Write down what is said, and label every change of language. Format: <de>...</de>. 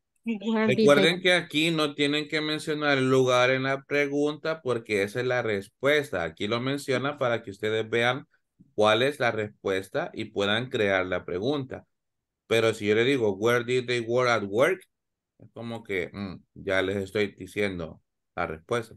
<es>Recuerden que aquí no tienen que mencionar el lugar en la pregunta porque esa es la respuesta. Aquí lo menciona para que ustedes vean cuál es la respuesta y puedan crear la pregunta. Pero si yo le digo,</es> <en>where did they work at work?</en> <es>Es como que ya les estoy diciendo la respuesta.</es>